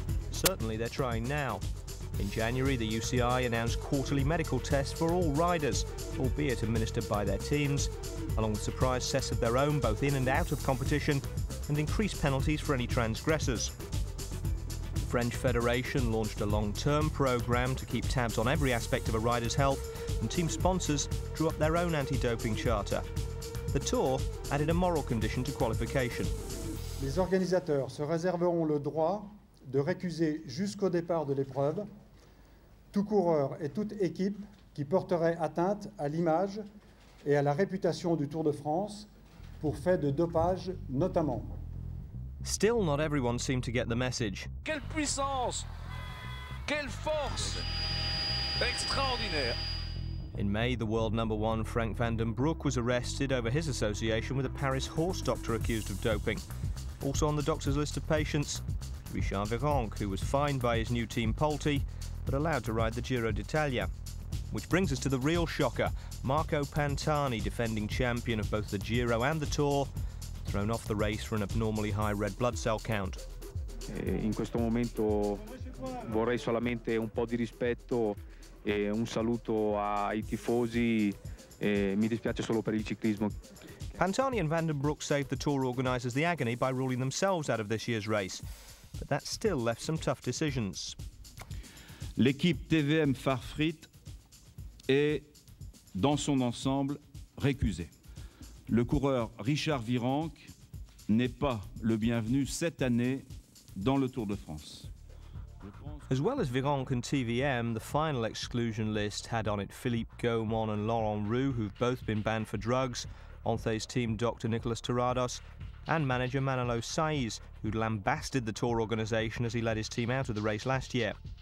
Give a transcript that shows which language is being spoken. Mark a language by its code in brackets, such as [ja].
[en] Certainly they're trying now. In January, the UCI announced quarterly medical tests for all riders, albeit administered by their teams, along with surprise tests of their own, both in and out of competition, and increased penalties for any transgressors. The French Federation launched a long-term programme to keep tabs on every aspect of a rider's health, and team sponsors drew up their own anti-doping charter. The Tour added a moral condition to qualification. [fr] Les organisateurs se réserveront le droit de récuser jusqu'au départ de l'épreuve tout coureur et toute équipe qui porterait atteinte à l'image et à la réputation du Tour de France pour fait de dopage notamment. [en] Still, not everyone seemed to get the message. [fr] Quelle puissance! Quelle force! Extraordinaire! [en] In May, the world number one Frank van den Broek was arrested over his association with a Paris horse doctor accused of doping. Also on the doctor's list of patients, Richard Virenque, who was fined by his new team Pulte, but allowed to ride the Giro d'Italia. Which brings us to the real shocker, Marco Pantani, defending champion of both the Giro and the Tour, thrown off the race for an abnormally high red blood cell count. [it] In questo momento vorrei solamente un po' di rispetto e un saluto ai tifosi. Mi dispiace solo per il ciclismo. [en] Pantani and van den Broek saved the Tour organisers the agony by ruling themselves out of this year's race. But that still left some tough decisions. [fr] L'équipe TVM Farfrit est, dans son ensemble, récusée. Le coureur Richard Virenque n'est pas le bienvenu cette année dans le Tour de France. [en] As well as Virenque and TVM, the final exclusion list had on it Philippe Gaumont and Laurent Roux, who've both been banned for drugs, Anthe's team Dr. Nicolas Tirados, and manager Manolo Saiz, who'd lambasted the Tour organisation as he led his team out of the race last year.